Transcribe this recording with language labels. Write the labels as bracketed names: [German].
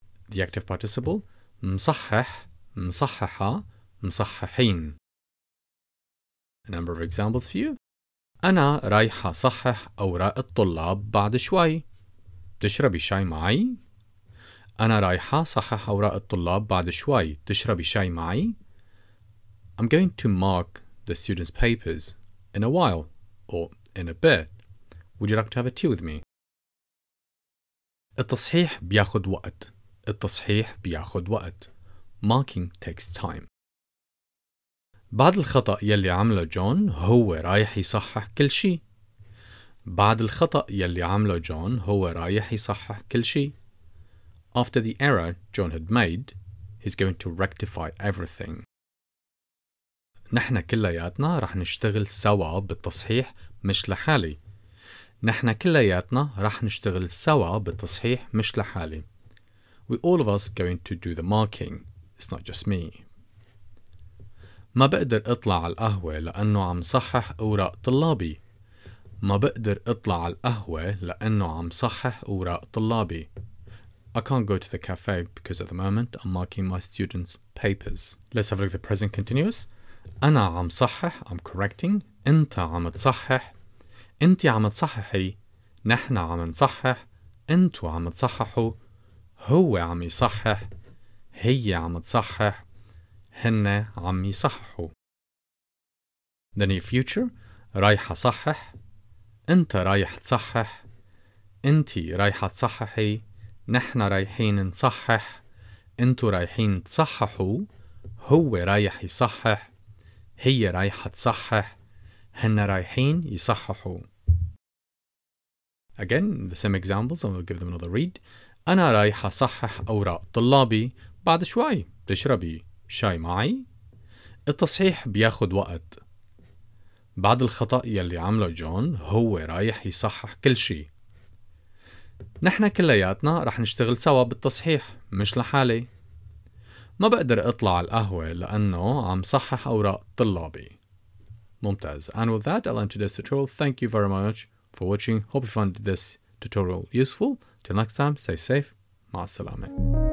[English] The active participle, [Arabic] مصحح, مصححة, مصححين. [English] A number of examples for you. [Arabic] أنا رايحة صحح أوراق الطلاب بعد شوي. تشربي شاي معي؟ أنا رايحة صحح أوراق الطلاب بعد شوي. تشربي شاي معي؟ [English] I'm going to mark the students' papers in a while or in a bit. Would you like to have a tea with me? [Arabic] التصحيح بياخد وقت. التصحيح بياخد وقت. [English] Marking takes time. [Arabic] بعد الخطأ يلي عمله جون هو رايح يصحح كل شيء. بعد الخطأ يلي عمله جون هو رايح يصحح كل شيء. [English] After the error John had made, he's going to rectify everything. [Arabic] نحن كلياتنا رح نشتغل سوا بالتصحيح مش لحالي. نحن كلياتنا رح نشتغل سوا بالتصحيح مش لحالي. [English] We all of us going to do the marking. It's not just me. [Arabic] ما بقدر اطلع على القهوة لأنه عم صحح أوراق طلابي. ما بقدر اطلع على القهوة لأنه عم صحح أوراق طلابي. [English] I can't go to the cafe because at the moment I'm marking my students' papers. Let's have a look at the present continuous. [Arabic] أنا عم صحح, [English] I'm correcting. [Arabic] أنت عم تصحح. أنت عم تصححي. نحن عم نصحح. أنتو عم تصححوا. هو عم يصحح. هي عم تصحح. هن عم يصححوا. [English] The near future, [Arabic] رايح صحح. انت رايح تصحح. انت رايح تصححي. نحن رايحين نصحح. انتو رايحين تصححوا. هو رايح يصحح. هي رايح تصحح. هن رايحين يصححوا. [English] Again, the same examples, and we'll give them another read. [Arabic] انا رايح صحح اوراق طلابي بعد شوي. تشربي شاي معي؟ التصحيح بياخد وقت. بعد الخطأ يلي عمله جون هو رايح يصحح كل شيء. نحن كلياتنا رح نشتغل سوا بالتصحيح مش لحالي. ما بقدر اطلع على القهوة لأنه عم صحح أوراق طلابي. ممتاز. [English] And with that I'll end today's tutorial. Thank you very much for watching. Hope you found this tutorial useful. Till next time, stay safe. [Arabic] مع السلامة.